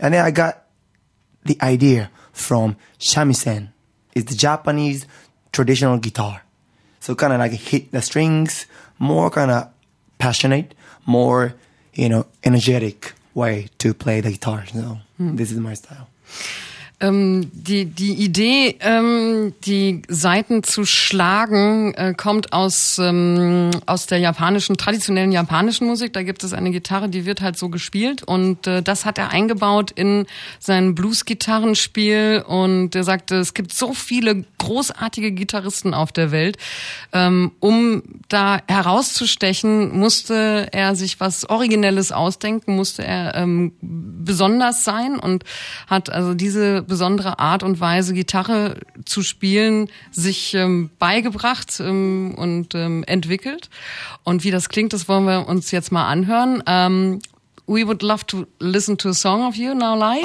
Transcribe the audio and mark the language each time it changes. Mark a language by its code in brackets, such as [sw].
[en] And then I got the idea from shamisen. It's the Japanese traditional guitar. So kind of like hit the strings more kind of passionate, more, you know, energetic way to play the guitar. So this is my style. [de] Die Idee, die Saiten zu schlagen, kommt aus der japanischen, traditionellen japanischen Musik. Da gibt es eine Gitarre, die wird halt so gespielt und das hat er eingebaut in sein Blues-Gitarrenspiel und er sagte, es gibt so viele großartige Gitarristen auf der Welt. Um da herauszustechen, musste er sich was Originelles ausdenken, musste er besonders sein und hat also diese besondere Art und Weise, Gitarre zu spielen, sich beigebracht und entwickelt. Und wie das klingt, das wollen wir uns jetzt mal anhören. [en] We would love to listen to a song of you now live.